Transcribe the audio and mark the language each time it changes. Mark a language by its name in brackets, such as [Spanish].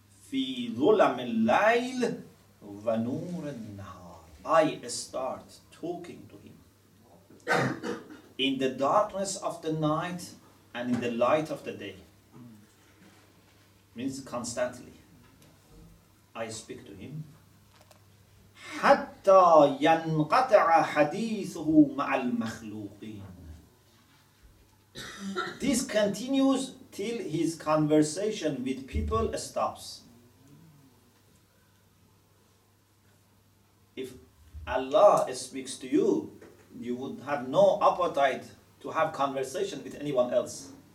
[Arabic] في ظلم الليل ونور النهار. [English] I start talking to him in the darkness of the night and in the light of the day. Means constantly. I speak to him. [Arabic] حتى حتى ينقطع حديثه مع المخلوقين. [English] This continues till his conversation with people stops. If Allah speaks to you, you would have no appetite to have conversation with anyone else.